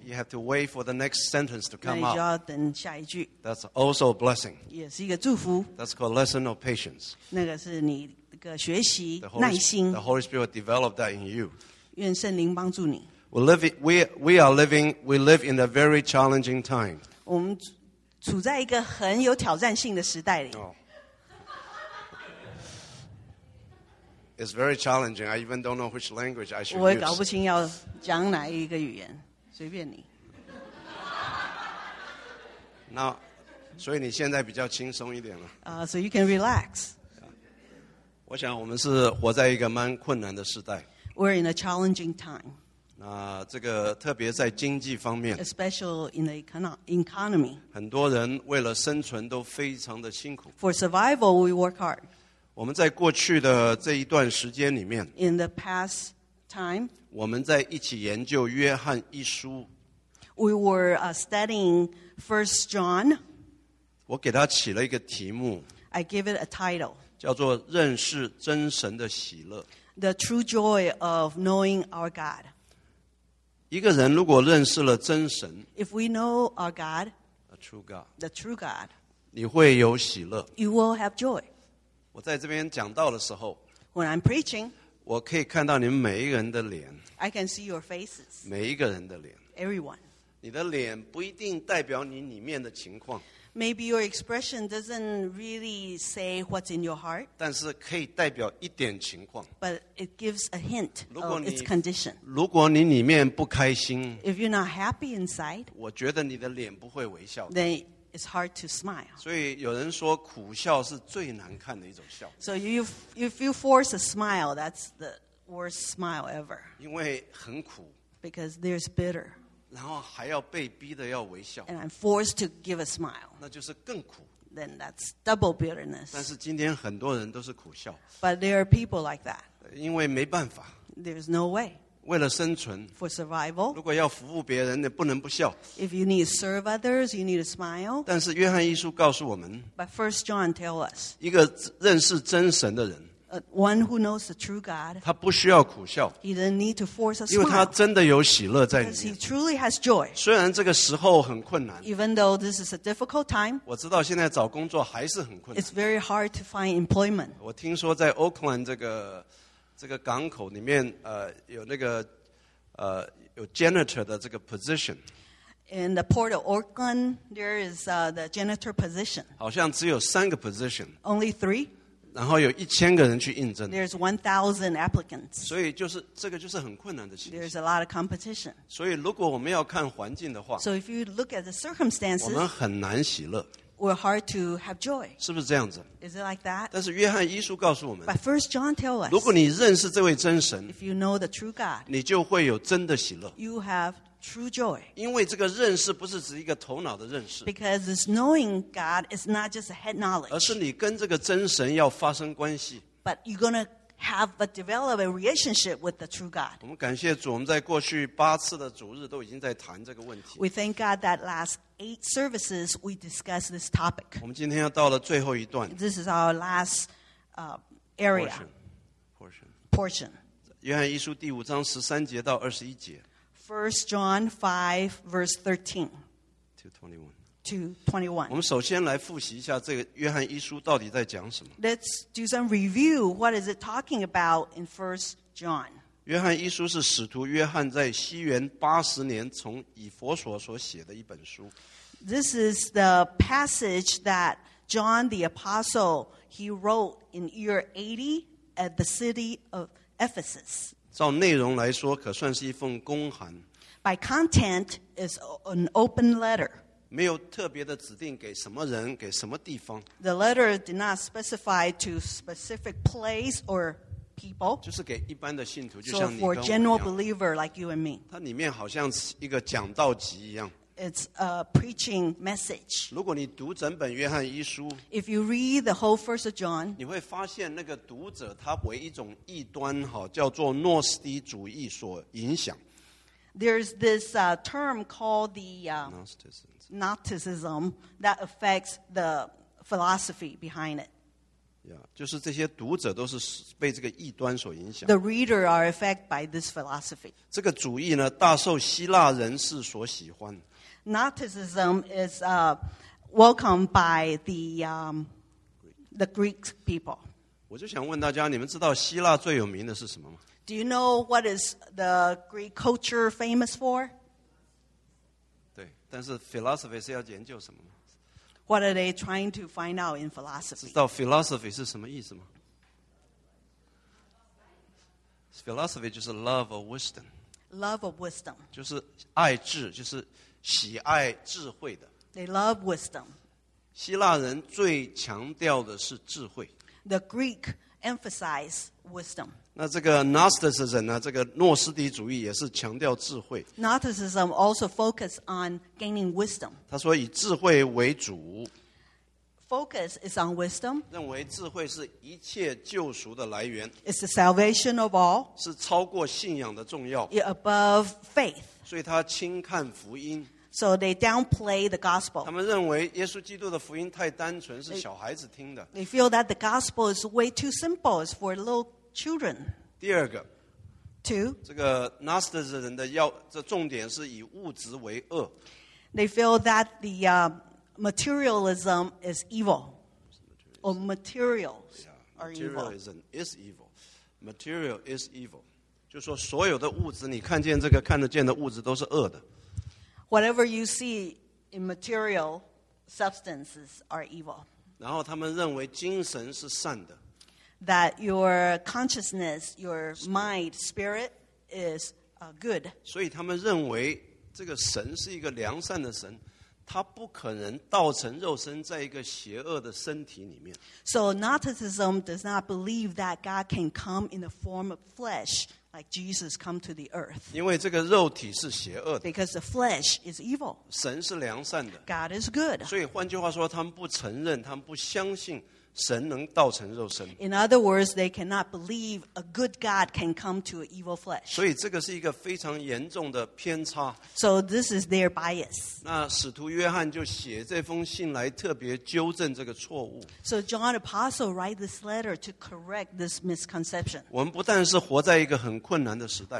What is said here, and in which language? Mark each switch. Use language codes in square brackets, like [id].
[en] you have to wait for the next sentence to come out. [zh] 那你就要等下一句。 [en] That's also a blessing. [zh] 也是一个祝福。 [en] That's called lesson of patience. [zh] 那个是你一个学习耐心。 [en] The Holy Spirit developed that in you. [zh] 愿圣灵帮助你。 [en] We live in a very challenging time. [zh] 我们处在一个很有挑战性的时代里。 [en] It's very challenging. I even don't know which language I should use. [zh] 我也搞不清要讲哪一个语言，随便你。那，所以你现在比较轻松一点了。 [en] So you can relax. [zh] 我想我们是活在一个蛮困难的时代。 [en] We're in a challenging time. [zh] 这个特别在经济方面 [en] especially in the economy [zh] 很多人为了生存都非常的辛苦 [en] for survival we work hard [zh] 我们在过去的这一段时间里面 [en] in the past time [zh] 我们在一起研究约翰一书 [en] we were studying 1 John [zh] 我给他起了一个题目 [en] I give it a title [zh] 叫做认识真神的喜乐 [en] the true joy of knowing our God [zh] 一个人如果认识了真神 [en] If we know our God The true God [zh] 你会有喜乐 [en] You will have joy [zh] 我在这边讲道的时候 [en] When I'm preaching [zh] 我可以看到你们每一个人的脸 [en] I can see your faces [zh] 每一个人的脸 [en] Everyone [zh] 你的脸不一定代表你里面的情况 [en] Maybe your expression doesn't really say what's in your heart [zh] 但是可以代表一点情况 [en] But it gives a hint of its condition [zh] 如果你里面不开心 [en] If you're not happy inside [zh] 我觉得你的脸不会微笑 [en] Then it's hard to smile [zh] 所以有人说苦笑是最难看的一种笑 [en] So if you force a smile, that's the worst smile ever [zh] 因为很苦 [en] Because there's bitter [zh] 然后还要被逼的要微笑 [en] And I'm forced to give a smile [zh] 那就是更苦 [en] Then that's double bitterness [zh] 但是今天很多人都是苦笑 [en] But there are people like that [zh] 因为没办法 [en] There's no way [zh] 为了生存 [en] For survival [zh] 如果要服务别人不能不笑 [en] If you need to serve others you need to smile [zh] 但是约翰一书告诉我们 [en] But 1 John tells us [zh] 一个认识真神的人 [en] One who knows the true God. [zh] 他不需要苦笑。 [en] He doesn't need to force a smile. [zh] 因为他真的有喜乐在里面。 [en] Because he truly has joy. [zh] 虽然这个时候很困难。 [en] Even though this is a difficult time. [zh] 我知道现在找工作还是很困难。 [en] It's very hard to find employment. [zh] 我听说在 Oakland 这个港口里面，有那个有 janitor 的这个 position。 [en] In the port of Oakland, there is the janitor position. [zh] 好像只有三个 position. [en] Only three. [zh] 然后有一千个人去应征。 [en] There's 1,000 applicants. [zh] 所以就是这个就是很困难的情形。 [en] There's a lot of competition. [zh] 所以如果我们要看环境的话。 [en] So if you look at the circumstances. [zh] 我们很难喜乐。 [en] We're hard to have joy. [zh] 是不是这样子？ [en] Is it like that? [zh] 但是约翰一书告诉我们。 [en] But first John tells us. [zh] 如果你认识这位真神。 [en] If you know the true God. [zh] 你就会有真的喜乐。 [en] You have true joy. [zh] 因为这个认识不是指一个头脑的认识。 [en] Because this knowing God is not just a head knowledge. [zh] 而是你跟这个真神要发生关系。 [en] But you're going to have a develop a relationship with the true God. [zh] 我们感谢主，我们在过去八次的主日都已经在谈这个问题。 [en] We thank God that last eight services we discussed this topic. [zh] 我们今天要到了最后一段。 [en] This is our last area. Portion. [zh] 约翰一书第五章十三节到二十一节。 [en] First John 5 verse 13 to 21. [zh] 我们首先来复习一下这个约翰一书到底在讲什么。 [en] Let's do some review. What is it talking about in First John? [zh] 约翰一书是使徒约翰在西元八十年从以弗所所写的一本书。 [en] This is the passage that John the Apostle he wrote in year 80 at the city of Ephesus. [zh] 照内容来说可算是一封公函。 [en] By content, it's an open letter. [zh] 没有特别的指定给什么人，给什么地方。 [en] The letter did not specify to specific place or people. [zh] 就是给一般的信徒，就像你跟我一样。 [en] So for general believer like you and me. [zh] 它里面好像是一个讲道集一样。 [en] It's a preaching message. [zh] 如果你读整本约翰一书， [en] If you read the whole first of John, [zh] 你会发现那个读者他为一种异端叫做诺斯底主义所影响。 [en] There's this term called the Gnosticism that affects the philosophy behind it. [zh] Yeah, 就是这些读者都是被这个异端所影响。 [en] The reader are affected by this philosophy. [zh] 这个主义呢，大受希腊人士所喜欢。 [en] Gnosticism is welcomed by the Greek people. [zh] 我就想问大家，你们知道希腊最有名的是什么吗？ [en] Do you know what is the Greek culture famous for? [zh] 对，但是 philosophy 是要研究什么吗？ [en] What are they trying to find out in philosophy? [zh] 知道 philosophy 是什么意思吗？ [en] Philosophy [zh] 就是 [en] love of wisdom. Love of wisdom. [zh] 就是爱智，就是喜爱智慧的。 [en] They love wisdom. [zh] 希腊人最强调的是智慧。 [en] The Greek emphasize wisdom. [zh] 那这个 Gnosticism 呢？这个诺斯底主义也是强调智慧。 [en] Gnosticism also focus on gaining wisdom. [zh] 他说以智慧为主。 [en] Focus is on wisdom. [zh] 认为智慧是一切救赎的来源。 [en] It's the salvation of all. [zh] 是超过信仰的重要。 [en] It's above faith. [zh] 所以他轻看福音。 [en] So they downplay the gospel. [zh] 他们认为耶稣基督的福音太单纯，是小孩子听的。 [en] They feel that the gospel is way too simple, it's for little children. [zh] 第二个。 [en] Two. [zh] 这个 Gnosticism 人的要，这重点是以物质为恶。 [en] They feel that the materialism is evil. Or materials are evil. Materialism is evil. Material is evil. [zh] 就说所有的物质，你看见这个看得见的物质都是恶的。 [en] Whatever you see in material substances are evil. [zh] 然后他们认为精神是善的。 [en] That your consciousness, your mind, spirit is good. [zh] 所以他们认为这个神是一个良善的神，他不可能道成肉身在一个邪恶的身体里面。 [en] So Gnosticism does not believe that God can come in the form of flesh. Like Jesus come to the earth. [zh] 因为这个肉体是邪恶的。 [en] Because the flesh is evil. [zh] 神是良善的。 [en] God is good. [zh] 所以换句话说，他们不承认，他们不相信神能道成肉身。 [en] In other words, they cannot believe a good God can come to an evil flesh. [zh] 所以这个是一个非常严重的偏差。 [en] So this is their bias. [zh] 那使徒约翰就写这封信来特别纠正这个错误。 [en] So John Apostle write this letter to correct this misconception. [zh] 我们不但是活在一个很困难的时代。